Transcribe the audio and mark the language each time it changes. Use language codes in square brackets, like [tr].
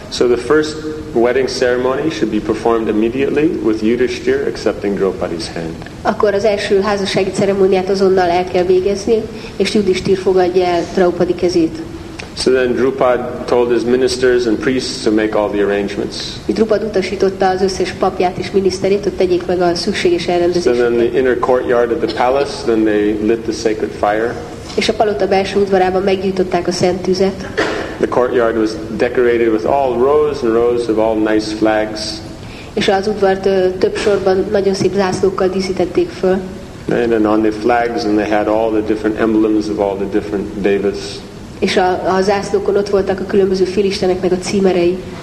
[en] So the first wedding ceremony should be performed immediately with Yudhishthira accepting Draupadi's hand. [hu] Akkor az első házassági ceremóniát azonnal el kell végezni, és Yudhishthira fogadja el Draupadi kezét. [en] So then Drupad told his ministers and priests to make all the arrangements. [hu] Drupad utasította az összes papját és miniszterét, hogy tegyék meg a szükséges elrendezést. [en] So then the inner courtyard of the palace, then they lit the sacred fire. [hu] És a palota belső udvarában meggyújtották a szent tüzet. [en] The courtyard was decorated with all rows and rows of all nice flags. [hu] És az udvart több sorban nagyon szép zászlókkal díszítették föl. [en] And on the flags, and they had all the different emblems of all the different devas. [hu] És a zászlókon ott voltak a különböző félisteneknek a címerei.